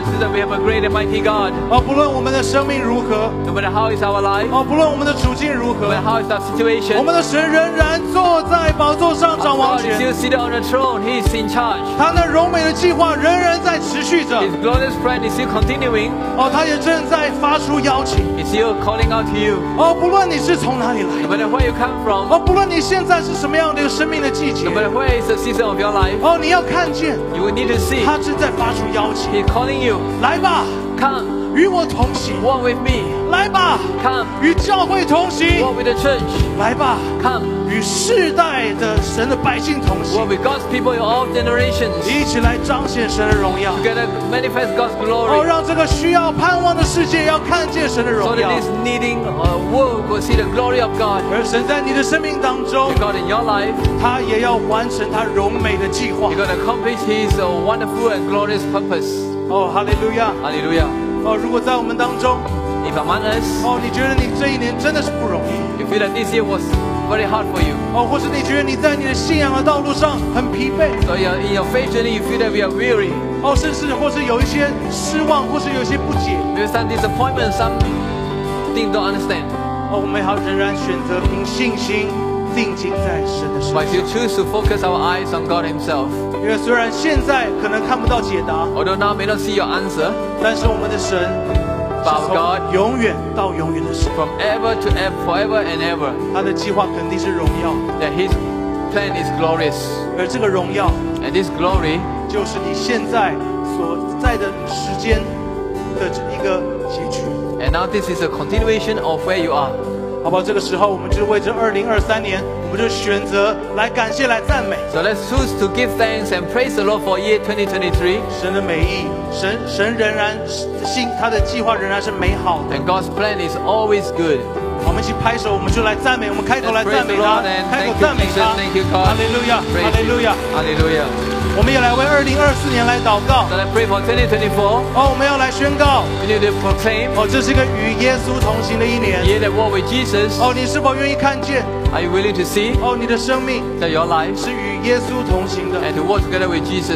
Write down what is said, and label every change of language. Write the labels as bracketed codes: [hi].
[en] We have a great and mighty God. [zh] 不论我们的生命如何, [en] no matter how is our life, [zh] 不论我们的处境如何, [en] no matter how is our situation, [zh] 我们的神仍然坐在宝座上掌王权。 [en] Our God is still seated on the throne. He is in charge. [zh] 他那荣美的计划仍然在持续着。 [en] His glorious plan is still continuing. [zh] 他也正在发出邀请。 [en] He's still calling out to you. [zh] 不论你是从哪里来, [en] no matter where you come from, [zh] 不论你现在是什么样的生命的季节, [en] no matter where is the season of your life, [zh] 你要看见, [en] you will need to see, [zh] 他正在发出邀请。 [en] He's calling you. [zh] 来吧 [en] ，Come， [zh] 与我同行 [en] ，Walk with me。 [zh] 来吧 [en] ，Come， [zh] 与教会同行 [en] ，Walk with the church。 [zh] 来吧 [en] ，Come， [zh] 与世代的神的百姓同行 [en] ，Walk with God's people in all generations。 [zh] 一起来彰显神的荣耀 [en] ，Together manifest God's glory。 [zh] 让这个需要盼望的世界要看见神的荣耀 [en] ，So that this needing world will see the glory of God。 [zh] 而神在你的生命当中 [en] ，God in your life， [zh] 他也要完成他荣美的计划 [en] ，He's going to accomplish His wonderful and glorious purpose。 Hallelujah! Hallelujah! [zh] 如果在我们当中 [en] ，If among us， [zh] 你觉得你这一年真的是不容易 [en] ？You feel that this year was very hard for you。 [zh] 或是你觉得你在你的信仰的道路上很疲惫 [en] ？So in your faith journey, you feel that we are weary。 [zh] 甚至或是有一些失望，或是有一些不解 [en] ？Maybe some disappointment, some things don't understand。 [zh] 我们还仍然选择凭信心。定睛在神的身上。 [en] But you choose to focus our eyes on God Himself. [zh] 因为虽然现在可能看不到解答 [en] ，although now may not see your answer， [zh] 但是我们的神 [en] ，But God， [zh] 永远到永远的神 [en] ，from ever to ever, forever and ever， [zh] 他的计划肯定是荣耀 [en] ，that His plan is glorious。 [zh] 而这个荣耀 [en] ，and this glory， [zh] 就是你现在所在的时间的一个结局。 [en] And now this is a continuation of where you are。 [zh] 好吧，这个时候我们就为这2023年，我们就选择来感谢、来赞美。 [en] So let's choose to give thanks and praise the Lord for year 2023. [zh] 神的美意，神仍然心，他的计划仍然是美好的。 [en] And God's plan is always good. [zh] 我们一起拍手，我们就来赞美，我们开口来赞美他， Lord, 开口赞美他。 [en] Thank you, God. Hallelujah. Hallelujah. [zh] Hallelujah. 我们也来为2024年来祷告。 [en] So let's pray for 2024. [zh] 我们要来宣告。 [en] We need to proclaim. [zh] 这是一个与耶稣同行的一年。 [en] Year that walk with Jesus. [zh] 你是否愿意看见？ [en] Are you willing to see? [zh] 你的生命 [en] that your life [zh] 是与耶稣同行的 [en] and to walk together with Jesus.